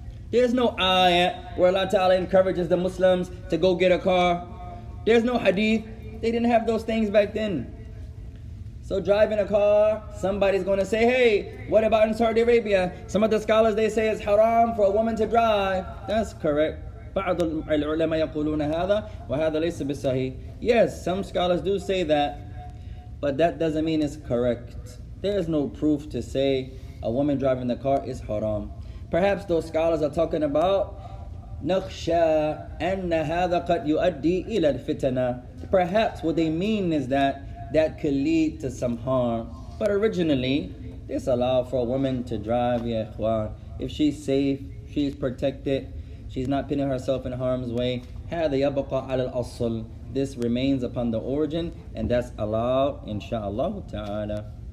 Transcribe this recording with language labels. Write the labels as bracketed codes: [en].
[en] There's no ayah where Allah Ta'ala encourages the Muslims to go get a car. There's no hadith. They didn't have those things back then. So driving a car, somebody's going to say, hey, what about in Saudi Arabia? Some of the scholars, they say it's haram for a woman to drive. That's correct. [ar] بعض العلماء يقولون هذا وهذا ليس بالصحيح. [en] Yes, some scholars do say that, but that doesn't mean it's correct. There is no proof to say a woman driving the car is haram. Perhaps those scholars are talking about [ar] نخشى أن هذا قد يؤدي إلى الفتنة. [en] Perhaps what they mean is that could lead to some harm. But originally, this allowed for a woman to drive, ya ikhwan. If she's safe, she's protected, she's not putting herself in harm's way. [ar] هذا يبقى على الأصل. [en] this remains upon the origin, and that's Allah, inshallah ta'ala.